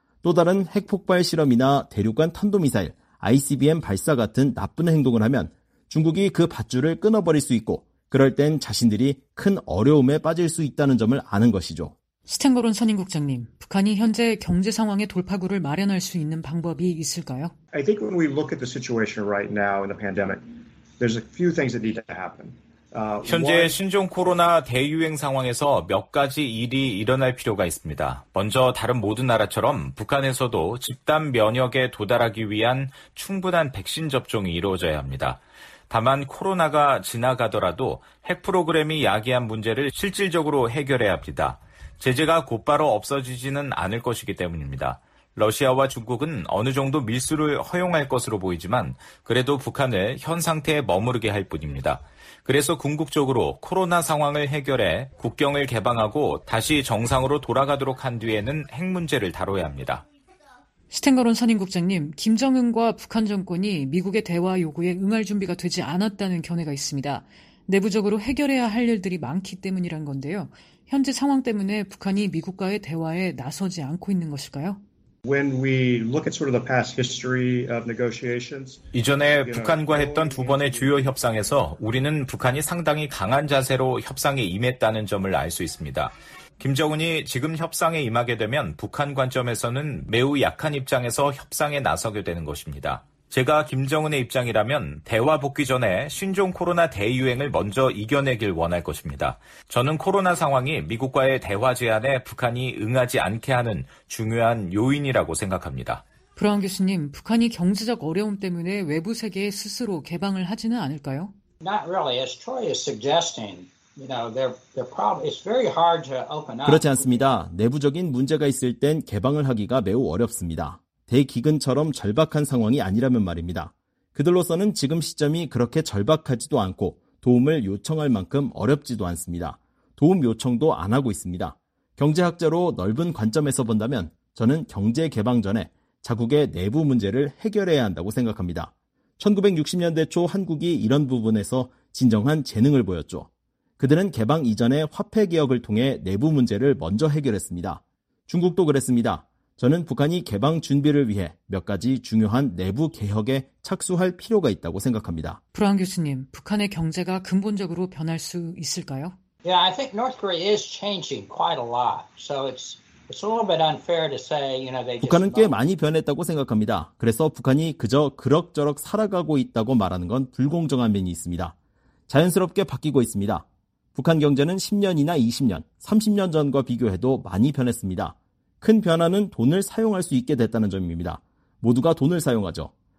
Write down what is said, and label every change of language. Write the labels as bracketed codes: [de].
[ko] 또 다른 핵폭발 실험이나 대륙간 탄도미사일, ICBM 발사 같은 나쁜 행동을 하면 중국이 그 밧줄을 끊어버릴 수 있고 그럴 땐 자신들이 큰 어려움에 빠질 수 있다는 점을 아는 것이죠. 스탱거론 선임 국장님, 북한이 현재 경제 상황의 돌파구를 마련할 수 있는 방법이 있을까요? [en] I think when we look at the situation right now in the pandemic, there's a few things that need to happen. [ko] 현재 신종 코로나 대유행 상황에서 몇 가지 일이 일어날 필요가 있습니다. 먼저 다른 모든 나라처럼 북한에서도 집단 면역에 도달하기 위한 충분한 백신 접종이 이루어져야 합니다. 다만 코로나가 지나가더라도 핵 프로그램이 야기한 문제를 실질적으로 해결해야 합니다. 제재가 곧바로 없어지지는 않을 것이기 때문입니다. 러시아와 중국은 어느 정도 밀수를 허용할 것으로 보이지만 그래도 북한을 현 상태에 머무르게 할 뿐입니다. 그래서 궁극적으로 코로나 상황을 해결해 국경을 개방하고 다시 정상으로 돌아가도록 한 뒤에는 핵 문제를 다뤄야 합니다. 스탱거론 선임 국장님, 김정은과 북한 정권이 미국의 대화 요구에 응할 준비가 되지 않았다는 견해가 있습니다. 내부적으로 해결해야 할 일들이 많기 때문이란 건데요. 현재 상황 때문에 북한이 미국과의 대화에 나서지 않고 있는 것일까요? [en] When we look at sort of the past history of negotiations, [ko] 이전에 북한과 했던 두 번의 주요 협상에서 우리는 북한이 상당히 강한 자세로 협상에 임했다는 점을 알 수 있습니다. 김정은이 지금 협상에 임하게 되면 북한 관점에서는 매우 약한 입장에서 협상에 나서게 되는 것입니다. 제가 김정은의 입장이라면 대화 복귀 전에 신종 코로나 대유행을 먼저 이겨내길 원할 것입니다. 저는 코로나 상황이 미국과의 대화 제안에 북한이 응하지 않게 하는 중요한 요인이라고 생각합니다. 브라운 교수님, 북한이 경제적 어려움 때문에 외부 세계에 스스로 개방을 하지는 않을까요? [en] Not really. As Troy is suggesting, you know, they're probably it's very hard to open up. [ko] 그렇지 않습니다. 내부적인 문제가 있을 땐 개방을 하기가 매우 어렵습니다. 대기근처럼 절박한 상황이 아니라면 말입니다. 그들로서는 지금 시점이 그렇게 절박하지도 않고 도움을 요청할 만큼 어렵지도 않습니다. 도움 요청도 안 하고 있습니다. 경제학자로 넓은 관점에서 본다면 저는 경제 개방 전에 자국의 내부 문제를 해결해야 한다고 생각합니다. 1960년대 초 한국이 이런 부분에서 진정한 재능을 보였죠. 그들은 개방 이전에 화폐 개혁을 통해 내부 문제를 먼저 해결했습니다. 중국도 그랬습니다. 저는 북한이 개방 준비를 위해 몇 가지 중요한 내부 개혁에 착수할 필요가 있다고 생각합니다. 브라운 교수님, 북한의 경제가 근본적으로 변할 수 있을까요? [en] Yeah, I think North Korea is changing quite a lot. So it's a little bit unfair to say, you know, they just [ko] 북한은 꽤 많이 변했다고 생각합니다. 그래서 북한이 그저 그럭저럭 살아가고 있다고 말하는 건 불공정한 면이 있습니다. 자연스럽게 바뀌고 있습니다. 북한 경제는 10년이나 20년, 30년 전과 비교해도 많이 변했습니다. 큰 변화는 돈을 사용할 수 있게 됐다는 점입니다. 모두가 돈을 사용하죠.